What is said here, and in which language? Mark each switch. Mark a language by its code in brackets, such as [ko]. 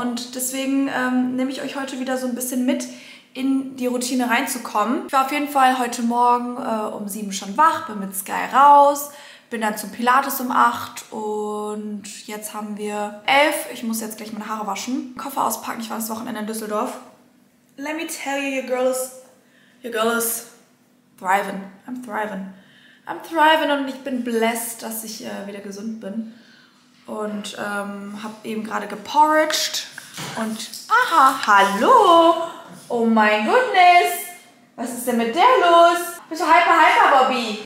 [de] Und deswegen nehme ich euch heute wieder so ein bisschen mit, in die Routine reinzukommen. Ich war auf jeden Fall heute Morgen um 7 schon wach, bin mit Sky raus. Bin dann zum Pilates um 8 und jetzt haben wir 11. Ich muss jetzt gleich meine Haare waschen. Koffer auspacken, ich war das Wochenende in Düsseldorf. [en] Let me tell you, your girl is thriving. I'm thriving [de] und ich bin blessed, dass ich wieder gesund bin. Und habe eben gerade geporridged und... [en] Aha, [de] hallo! [en] Oh my goodness! [de] Was ist denn mit der los? Bitte hyper, Bobby.